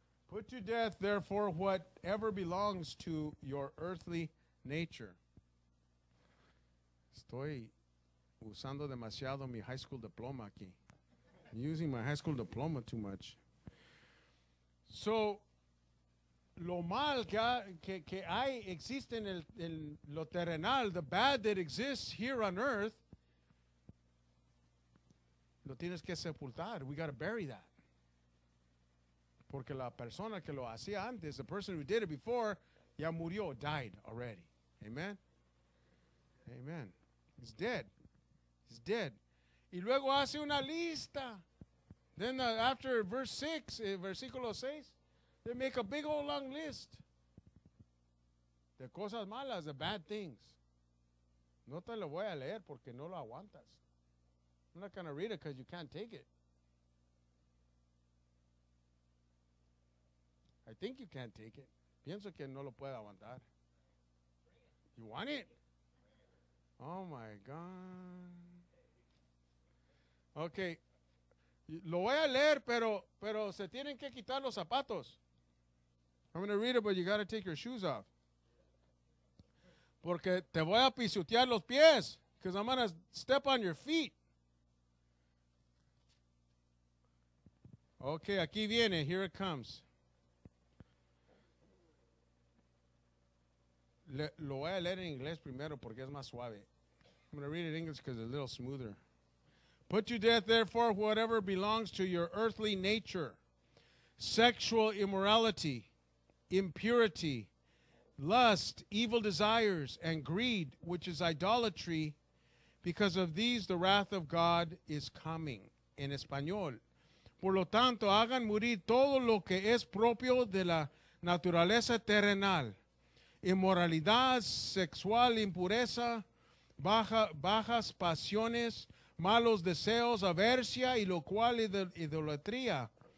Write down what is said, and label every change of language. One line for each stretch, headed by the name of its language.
English: Put to death, therefore, whatever belongs to your earthly nature.
Spanish: Estoy usando demasiado mi high school diploma aquí.
English: I'm using my high school diploma too much.
Spanish: So, lo mal que hay existe en lo terrenal,
English: the bad that exists here on earth,
Spanish: lo tienes que sepultar.
English: We got to bury that.
Spanish: Porque la persona que lo hacía antes,
English: the person who did it before,
Spanish: ya murió,
English: died already. Amen? Amen. He's dead. He's dead.
Spanish: Y luego hace una lista.
English: Then after verse 6,
Spanish: versículo 6,
English: they make a big old long list.
Spanish: De cosas malas,
English: the bad things.
Spanish: No te lo voy a leer porque no lo aguantas.
English: I'm not going to read it because you can't take it. I think you can't take it.
Spanish: Pienso que no lo puedo aguantar.
English: You want it? Oh, my God. Okay.
Spanish: Lo voy a leer, pero se tienen que quitar los zapatos.
English: I'm going to read it, but you got to take your shoes off.
Spanish: Porque te voy a pisotear los pies.
English: Because I'm going to step on your feet. Okay,
Spanish: aquí viene.
English: Here it comes.
Spanish: Lo voy a leer en inglés primero porque es más suave.
English: I'm going to read it in English because it's a little smoother. Put to death, therefore, whatever belongs to your earthly nature: sexual immorality, impurity, lust, evil desires, and greed, which is idolatry. Because of these, the wrath of God is coming.
Spanish: En español. Por lo tanto, hagan morir todo lo que es propio de la naturaleza terrenal: inmoralidad sexual, impureza, bajas pasiones, malos deseos, avaricia y lo cual idolatría.